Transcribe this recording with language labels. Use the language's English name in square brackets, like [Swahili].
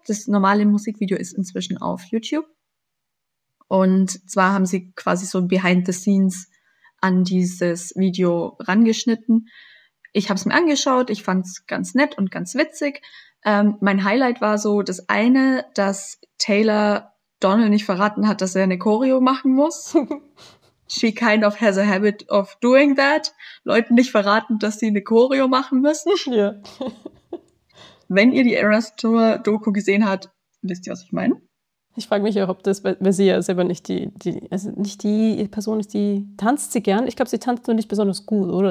[German] Das normale Musikvideo ist inzwischen auf YouTube. Und zwar haben sie quasi so [English] behind the scenes [German] an dieses Video rangeschnitten. Ich habe es mir angeschaut, ich fand es ganz nett und ganz witzig. Mein Highlight war so das eine, dass Taylor Donald nicht verraten hat, dass er eine Choreo machen muss. [English] She kind of has a habit of doing that. [German] Leuten nicht verraten, dass sie eine Choreo machen müssen. Ja. Wenn ihr die Eras Tour Doku gesehen habt, wisst ihr, was ich meine? Ich frage mich auch, ob das, weil sie ja selber nicht die Person ist, die tanzt sie gern. Ich glaube, sie tanzt nur nicht besonders gut, oder?